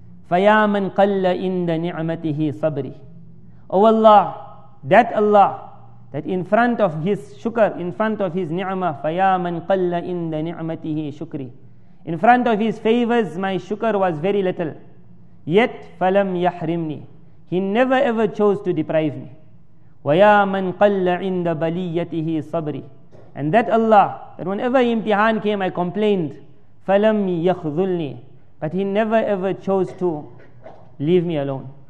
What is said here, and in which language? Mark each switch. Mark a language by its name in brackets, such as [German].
[Arabic] فَيَا مَنْ قَلَّ إِنْدَ نِعْمَتِهِ صَبْرِي. [English] Oh Allah, that Allah, that in front of his shukr, in front of his ni'mah, [Arabic] فَيَا مَنْ قَلَّ إِنْدَ نِعْمَتِهِ شُكْرِ. [English] In front of his favors, my shukr was very little. [Arabic] Yet, فَلَمْ يَحْرِمْنِي. [English] He never ever chose to deprive me. [Arabic] وَيَا مَنْ قَلَّ عِنْدَ بَلِيَّتِهِ صَبْرِ. [English] And that Allah, that whenever imtihan came, I complained, [Arabic] فَلَمْ يَخْذُلْنِي. [English] But he never ever chose to leave me alone.